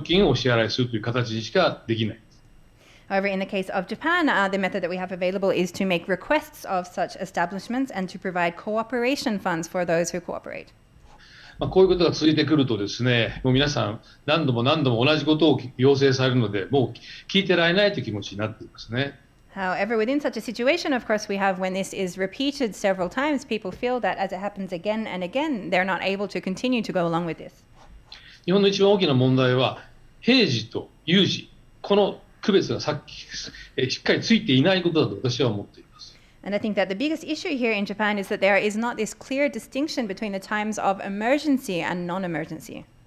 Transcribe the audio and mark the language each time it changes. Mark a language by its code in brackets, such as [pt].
[ja] ですが、日本の場合にはこれもですね、要請するしかできなくて、そしてまあ協力金をお支払いするという形しかできない。 [en] However, in the case of Japan, the method that we have available is to make requests of such establishments and to provide cooperation funds for those who cooperate. [ja] まあ、こういうことが続いてくるとですね、もう皆さん何度も何度も同じことを要請されるので、もう聞いてられないという気持ちになっていますね。 [en] However, within such a situation, of course, we have when this is repeated several times, people feel that as it happens again and again, they're not able to continue to go along with this. [ja] 日本の一番大きな問題は、平時と有事、この 区別がさっきしっかりついていないことだと私は思っています。 [en] And I think that the biggest issue here in Japan is that there is not this clear distinction between the times of emergency and non-emergency.